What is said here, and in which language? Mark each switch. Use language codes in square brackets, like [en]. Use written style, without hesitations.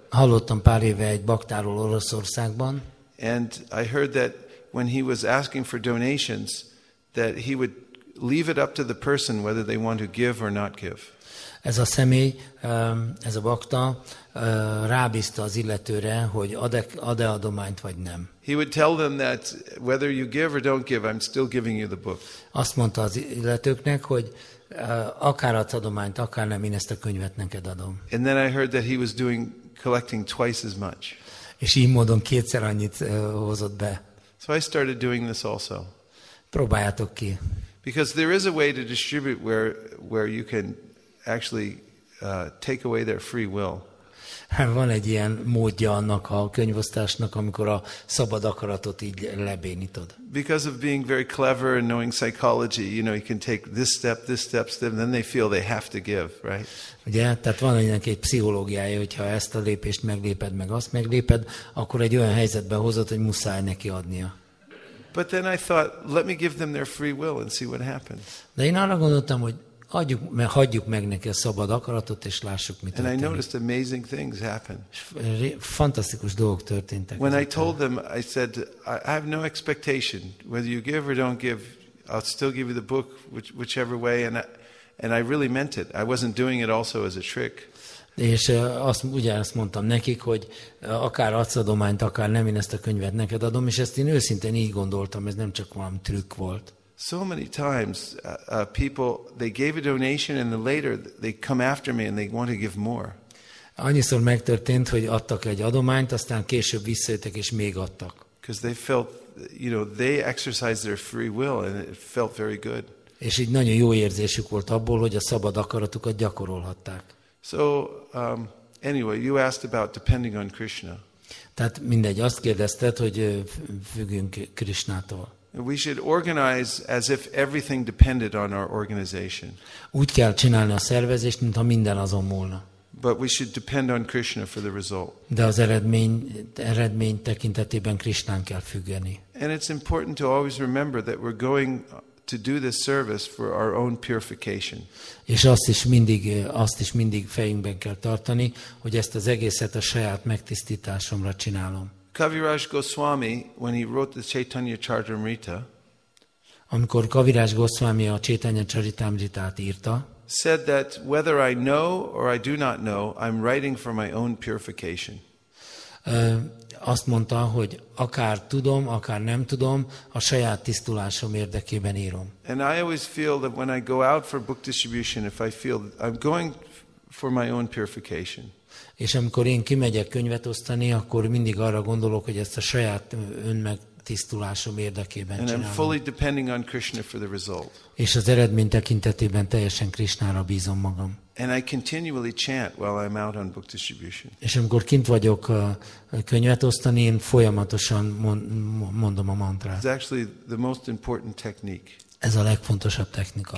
[hu] Hallottam pár éve egy baktáról Oroszországban. [en] And I heard that when he was asking for donations, that he would leave it up to the person whether they want to give or not give. [hu] Ez a személy, ez a bakta rábízta az illetőre, hogy ad-e adományt vagy nem. [en] He would tell them that whether you give or don't give, I'm still giving you the book. [hu] Azt mondta az illetőknek, hogy Akár adsz adományt, akár nem, én ezt a könyvet neked adom. [en] And then I heard that he was doing collecting twice as much. [hu] És így módon kétszer annyit hozott be. [en] So I started doing this also. [hu] Próbáljátok ki. [en] Because there is a way to distribute where you can actually take away their free will. [hu] Van egy ilyen módja annak a könyvosztásnak, amikor a szabad akaratot így lebénítod. [en] Because of being very clever and knowing psychology, you know, you can take this step, and then they feel they have to give, right? [hu] Ugye, tehát van ennek egy pszichológiája, hogyha ezt a lépést megléped, meg azt megléped, akkor egy olyan helyzetbe hozott, hogy muszáj neki adnia. [en] But then I thought, let me give them their free will and see what happens. [hu] De én arra gondoltam, hogy hagyjuk meg neki a szabad akaratot, és lássuk, mi történik. [en] And I noticed amazing things happen. [hu] Fantasztikus dolgok történtek. [en] When I told them, I said, I have no expectation. Whether you give or don't give, I'll still give you the book, whichever way. And I really meant it. I wasn't doing it also as a trick. [hu] És ugyanazt mondtam nekik, hogy akár adsz adományt, akár nem, én ezt a könyvet neked adom, és ezt én őszintén így gondoltam, ez nem csak valami trükk volt. [en] So many times people, they gave a donation and then later they come after me and they want to give more. [hu] Annyiszor megtörtént, hogy adtak egy adományt, aztán később visszajöttek és még adtak. [en] Because they felt, you know, they exercised their free will and it felt very good. [hu] És így nagyon jó érzésük volt abból, hogy a szabad akaratukat gyakorolhatták. [en] So anyway, you asked about depending on Krishna. [hu] Tehát mindegy, azt kérdezted, hogy függünk Krishnától. [en] We should organize as if everything depended on our organization. [hu] Úgy kell csinálni a szervezést, mintha minden azon múlna. [en] But we should depend on Krishna for the result. [hu] De az eredmény tekintetében Krishnán kell függeni. [en] And it's important to always remember that we're going to do this service for our own purification. [hu] És azt is mindig fejünkben kell tartani, hogy ezt az egészet a saját megtisztításomra csinálom. [en] Kaviraj Goswami, when he wrote the Chaitanya Charitamrita, [hu] amikor Kaviraj Goswami a Chaitanya Charitamritát írta, [en] said that whether I know or I do not know, I'm writing for my own purification. [hu] Azt mondta, hogy akár tudom, akár nem tudom, a saját tisztulásom érdekében írom. [en] And I always feel that when I go out for book distribution, if I feel that I'm going for my own purification. [hu] És amikor én kimegyek könyvet osztani, akkor mindig arra gondolok, hogy ezt a saját önmegtisztulásom érdekében [en] and [hu] csinálom. [en] I'm fully depending on Krishna for the result. [hu] És az eredmény tekintetében teljesen Krishnára bízom magam. [en] And I continually chant while I'm out on book distribution. [hu] És amikor kint vagyok könyvet osztani, én folyamatosan mondom a mantrát. [en] It's actually the most important technique. [hu] Ez a legfontosabb technika.